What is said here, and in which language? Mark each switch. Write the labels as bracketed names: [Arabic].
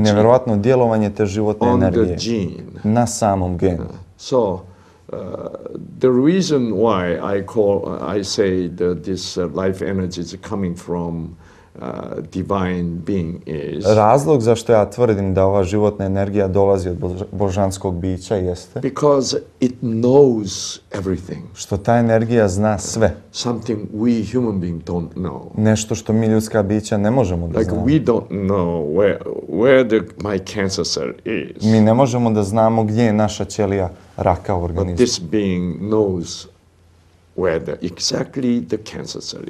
[Bosnian] Nevjerovatno djelovanje te životne energije. [English] On the gene. [Bosnian] Na samom genu. [English] So the reason why I say that this life energy is coming from divine being is [Bosnian] razlog zašto ja tvrdim da ova životna energija dolazi od božanskog bića jeste [English] because it knows everything. [Bosnian] Što ta energija zna sve. [English] Something we human being don't know. [Bosnian] Nešto što mi ljudska bića ne možemo da znamo. [English] Like we don't know where my cancer cell is. [Bosnian] Mi ne možemo da znamo gdje je naša ćelija raka u organizmu. [English] But this being knows where exactly the cancer cell is.